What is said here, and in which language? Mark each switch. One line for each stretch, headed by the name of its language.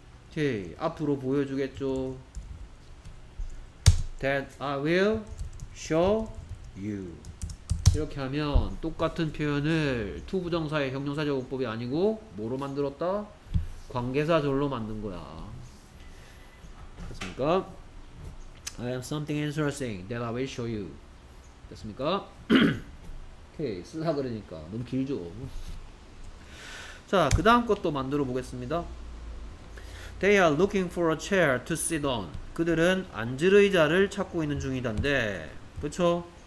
Korean: 오케이. 앞으로 보여주겠죠.
English: That I will show you.
Korean: 이렇게 하면 똑같은 표현을 to 부정사의 형용사 적용법이 아니고 뭐로 만들었다? 관계사절로 만든 거야. 됐습니까?
English: I have something interesting that I will show you.
Korean: 됐습니까? 오케이. 쓰다 그러니까 너무 길죠. 자, 그 다음 것도 만들어 보겠습니다.
English: They are looking for a chair to sit on.
Korean: 그들은 앉을 의자를 찾고 있는 중이던데, 그쵸?